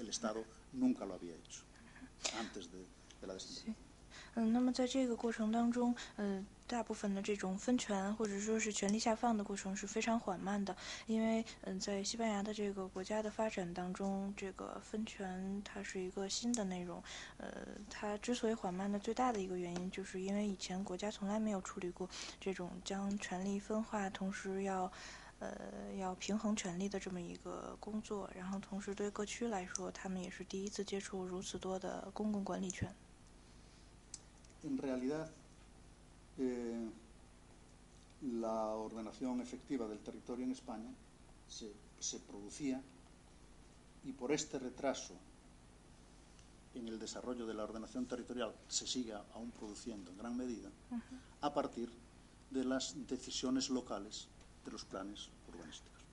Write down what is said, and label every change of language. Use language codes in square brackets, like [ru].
[es] El Estado nunca lo había hecho antes de la descentralización. [zh] 那么在这个过程当中，大部分的这种分权或者说是权力下放的过程是非常缓慢的，因为在西班牙的这个国家的发展当中，这个分权它是一个新的内容，它之所以缓慢的最大的一个原因，就是因为以前国家从来没有处理过这种将权力分化，同时要平衡权力的这么一个工作，然后同时对各区来说，他们也是第一次接触如此多的公共管理权。 [es] En realidad, la ordenación efectiva del territorio en España se producía, y por este retraso en el desarrollo de la ordenación territorial se sigue aún produciendo en gran medida, a partir de las decisiones locales de los planes urbanísticos.